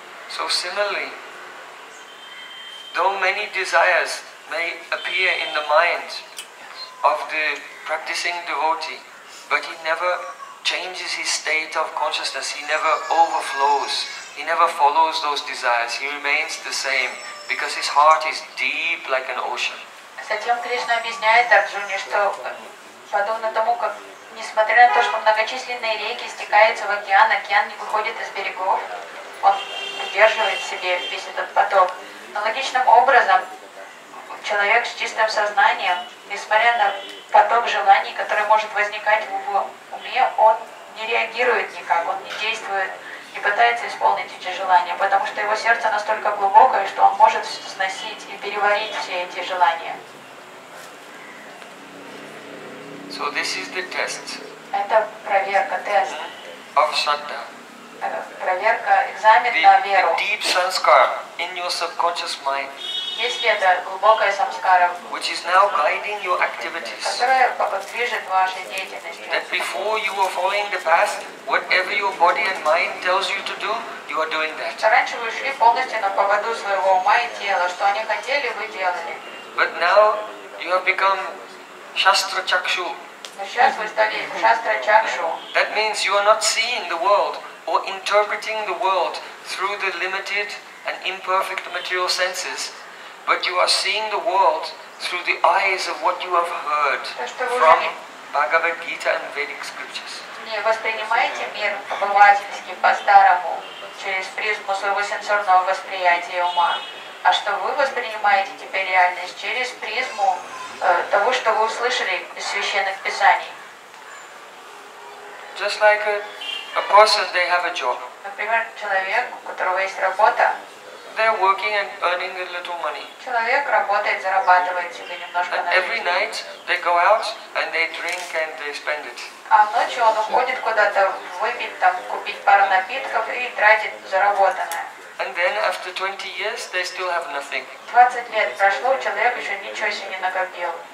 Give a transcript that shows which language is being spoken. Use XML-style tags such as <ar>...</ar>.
<en>So similarly, though many desires may appear in the mind of the practicing devotee, but he never changes his state of consciousness, he never overflows, he never follows those desires, he remains the same, because his heart is deep like an ocean.</en> <ru>Затем Кришна объясняет Арджуне, что подобно тому, как несмотря на то, что многочисленные реки стекаются в океан, океан не выходит из берегов, он удерживает в себе весь этот поток. Аналогичным образом, человек с чистым сознанием, несмотря на поток желаний, который может возникать в его уме, он не реагирует никак, он не действует, не пытается исполнить эти желания, потому что его сердце настолько глубокое, что он может сносить и переварить все эти желания.</ru> <en>So this is the test.</en> <ru>Это проверка, тест.</ru> <en>Of Shraddha.</en> <ru>Проверка, экзамен на веру.</ru> <en>The deep sanskar in your subconscious mind.</en> <ru>Есть ли это глубокая самскара?</ru> <en>Which is now guiding your activities.</en> <ru>Которая подвижет вашей деятельности.</ru> <en>That before you were following the path, whatever your body and mind tells you to do, you are doing that.</en> <ru>Раньше вы шли полностью на поводу своего ума и тела, что они хотели, вы делали.</ru> <en>But now you have become Shastra Chakshu. That means you are not seeing the world or interpreting the world through the limited and imperfect material senses, but you are seeing the world through the eyes of what you have heard from Bhagavad Gita and Vedic scriptures.</en> <ru>Не воспринимаете мир обывательски по-старому через призму своего сенсорного восприятия ума, а что вы воспринимаете теперь реальность через призму того, что вы услышали из священных писаний.</ru> <en>Just like a person, they have a job.</en> <ru>Например, человек, у которого есть работа.</ru> <en>They're working and earning a little money.</en> <ru>Человек работает, зарабатывает себе немножко</ru> <en>and</en> <ru>на жизнь.</ru> <en>Every night they go out and they drink and they spend it.</en> <ru>А ночью он уходит куда-то выпить, там купить пару напитков и тратит заработанное.</ru> <en>And then after 20 years, they still have nothing.</en> <ru>20 лет прошло, у человека еще ничего себе не накопил.</ru>